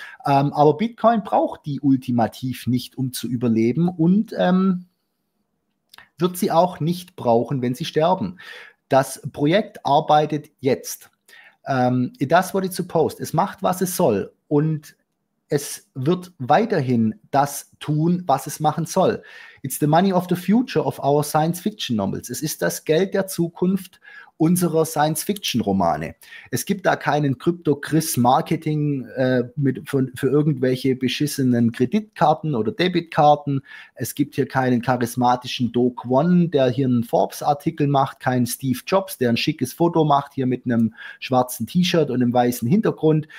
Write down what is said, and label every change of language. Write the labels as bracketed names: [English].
[German] Aber Bitcoin braucht die ultimativ nicht, um zu überleben und wird sie auch nicht brauchen, wenn sie sterben. Das Projekt arbeitet jetzt. [English] It does what it's supposed. [German] Es macht, was es soll. Und es wird weiterhin das tun, was es machen soll. [English] It's the money of the future of our science fiction novels. [German] Es ist das Geld der Zukunft unserer Science Fiction Romane. Es gibt da keinen Krypto-Chris-Marketing für irgendwelche beschissenen Kreditkarten oder Debitkarten. Es gibt hier keinen charismatischen Doc One, der hier einen Forbes-Artikel macht, keinen Steve Jobs, der ein schickes Foto macht, hier mit einem schwarzen T-Shirt und einem weißen Hintergrund.